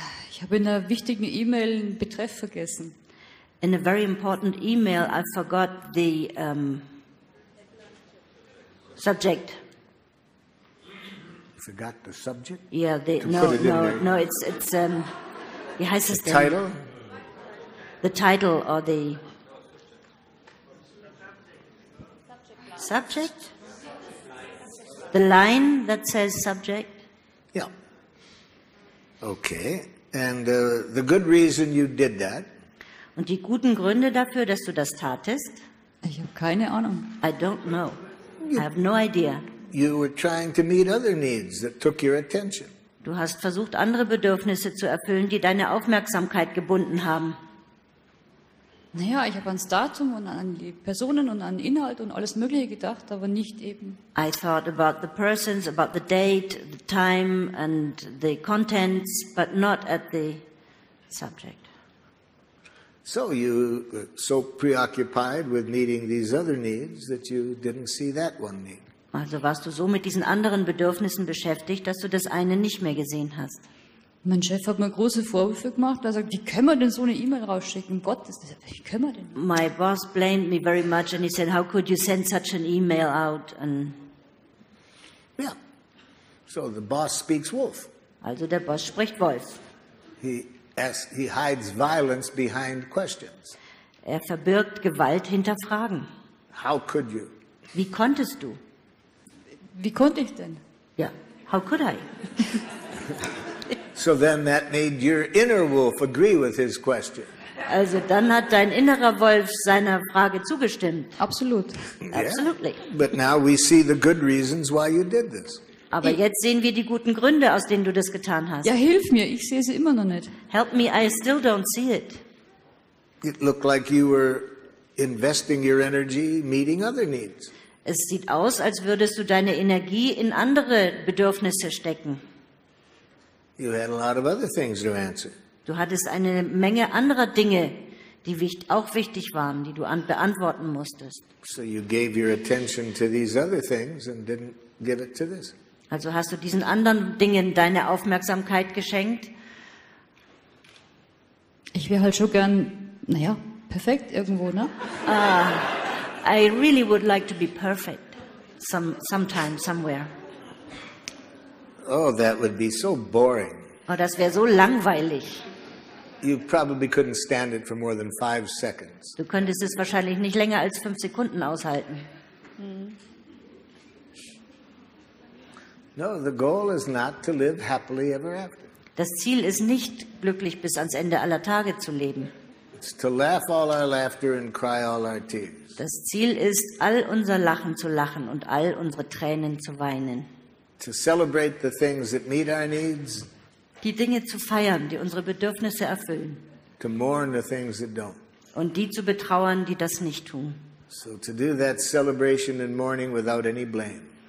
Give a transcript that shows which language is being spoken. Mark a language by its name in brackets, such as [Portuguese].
[German] Ich habe in einer wichtigen E-Mail einen Betreff vergessen. [English] In a very important email, I forgot the subject. Forgot the subject? [German] Yeah, wie heißt es denn? [English] The title? The title or the subject? The line that says subject? Yeah. Okay. And the good reason you did that? [German] Und die guten Gründe dafür, dass du das tatest? Ich habe keine Ahnung. [English] I don't know. I have no idea. You were trying to meet other needs that took your attention. [German] Du hast versucht, andere Bedürfnisse zu erfüllen, die deine Aufmerksamkeit gebunden haben. Naja, ich habe ans Datum und an die Personen und an Inhalt und alles Mögliche gedacht, aber nicht eben. [English] I thought about the persons, about the date, the time and the contents, but not at the subject. So you were so preoccupied with meeting these other needs that you didn't see that one need. [German] Also warst du so mit diesen anderen Bedürfnissen beschäftigt, dass du das eine nicht mehr gesehen hast. Mein Chef hat mir große Vorwürfe gemacht. Er sagt, wie können wir denn so eine E-Mail rausschicken? Gott, wie können wir denn? [English] My boss blamed me very much and he said, how could you send such an email out? And yeah, so the boss speaks wolf. [German] Also der Boss spricht Wolf. [English] He hides violence behind questions. [German] Er verbirgt Gewalt hinter Fragen. [English] How could you? [German] Wie konntest du? Wie konnte ich denn? [English] Ja, yeah. How could I? So then that made your inner wolf agree with his question. [German] Also dann hat dein innerer Wolf seiner Frage zugestimmt. Absolut. [English] Absolutely. Yeah. But now we see the good reasons why you did this. [German] Aber jetzt sehen wir die guten Gründe, aus denen du das getan hast. Ja, hilf mir, ich sehe sie immer noch nicht. [English] Help me, I still don't see it. It looked like you were investing your energy meeting other needs. [German] Es sieht aus, als würdest du deine Energie in andere Bedürfnisse stecken. [English] You had a lot of other things to answer. [German] Du hattest eine Menge anderer Dinge, die auch wichtig waren, die du beantworten musstest. [English] So you gave your attention to these other things and didn't give it to this. [German] Also hast du diesen anderen Dingen deine Aufmerksamkeit geschenkt? Ich wäre halt schon gern, naja, perfekt irgendwo, ne? [English] I really would like to be perfect sometime, somewhere. Oh, that would be so boring. [German] Oh, das wäre so langweilig. [English] You probably couldn't stand it for more than 5 seconds. [German] Du könntest es wahrscheinlich nicht länger als 5 Sekunden aushalten. [English] No, the goal is not to live happily ever after. [German] Das Ziel ist nicht, glücklich bis ans Ende aller Tage zu leben. [English] It's to laugh all our laughter and cry all our tears. [German] Das Ziel ist, all unser Lachen zu lachen und all unsere Tränen zu weinen. [English] To celebrate the things that meet our needs. [German] Die Dinge zu feiern, die unsere Bedürfnisse erfüllen. [English] To mourn the things that don't. [German] Und die zu betrauern, die das nicht tun. [English] So to do that celebration and mourning without any blame.